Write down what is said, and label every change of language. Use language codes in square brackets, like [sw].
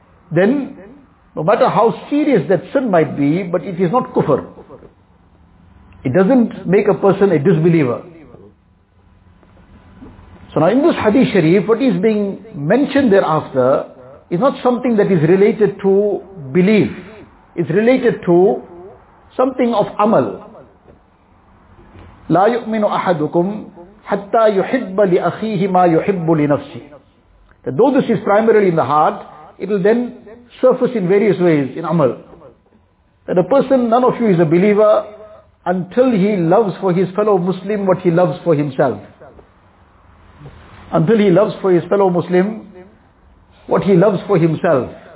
[en] Then, no matter how serious that sin might be, but it is not kufr. It doesn't make a person a disbeliever. So now in this hadith sharif, what is being mentioned thereafter is not something that is related to belief. It's related to something of amal. [ar] لا يؤمن أحدكم حتى يحب لأخيه ما يحب لنفسه. [en] That though this is primarily in the heart, it will then surface in various ways in amal. That a person, none of you is a believer until he loves for his fellow Muslim what he loves for himself. Until he loves for his fellow Muslim what he loves for himself.